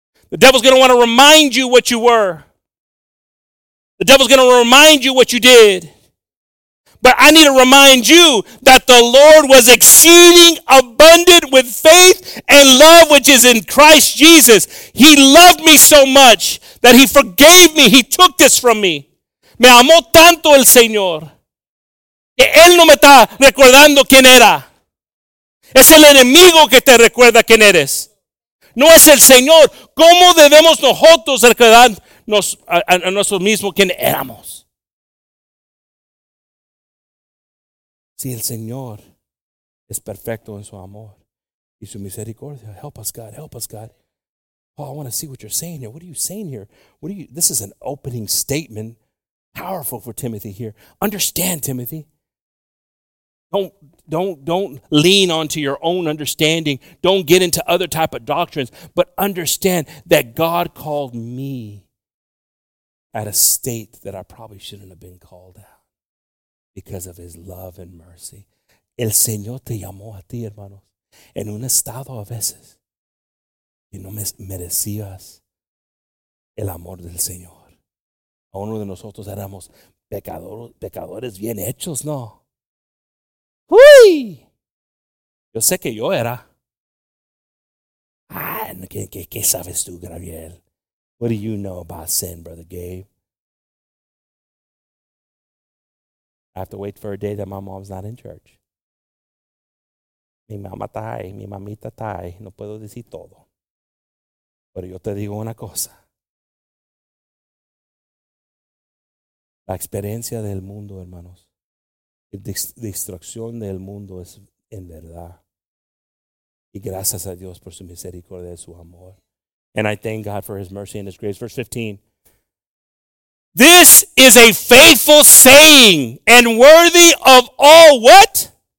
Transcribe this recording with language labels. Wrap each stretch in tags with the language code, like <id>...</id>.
<en>The devil's going to want to remind you what you were. The devil's going to remind you what you did. But I need to remind you that the Lord was exceeding abundant with faith and love, which is in Christ Jesus. He loved me so much that he forgave me. He took this from me.</en> <es>Me amó tanto el Señor que él no me está recordando quién era. Es el enemigo que te recuerda quién eres. No es el Señor. ¿Cómo debemos nosotros recordarnos a nosotros mismos quién éramos? Si el Señor es perfecto en su amor y su misericordia.</es> <en>Help us, God. Help us, God. Paul, I want to see what you're saying here. What are you saying here? This is an opening statement. Powerful for Timothy here. Understand, Timothy. Don't lean onto your own understanding. Don't get into other type of doctrines. But understand that God called me at a state that I probably shouldn't have been called at because of his love and mercy.</en> <es>El Señor te llamó a ti, hermanos, en un estado a veces que no merecías el amor del Señor. A uno de nosotros éramos pecadores bien hechos, ¿no? ¡Uy! Yo sé que yo era. Ah, ¿qué sabes tú, Gabriel?</es> <en>What do you know about sin, Brother Gabe? I have to wait for a day that my mom's not in church.</en> <es>Mi mamá está ahí, mi mamita está ahí. No puedo decir todo. Pero yo te digo una cosa. La experiencia del mundo, hermanos. La destrucción del mundo es en verdad. Y gracias a Dios por su misericordia y su amor.</es> <en>And I thank God for his mercy and his grace. Verse 15. This is a faithful saying and worthy of all what?</en>